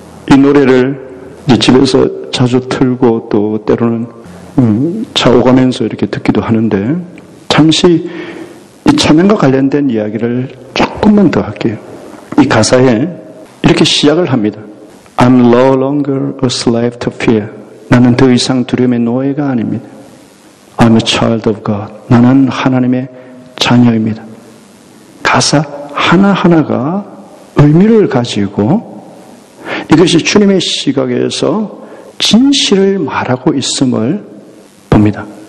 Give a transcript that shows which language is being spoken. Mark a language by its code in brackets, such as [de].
[ko] 이 노래를 집에서 자주 틀고 또 때로는 차 오가면서 이렇게 듣기도 하는데 잠시 이 찬양과 관련된 이야기를 조금만 더 할게요. 이 가사에 이렇게 시작을 합니다. [en] I'm no longer a slave to fear. [ko] 나는 더 이상 두려움의 노예가 아닙니다. [en] I'm a child of God. [ko] 나는 하나님의 자녀입니다. 가사 하나하나가 의미를 가지고 이것이 주님의 시각에서 진실을 말하고 있음을 봅니다.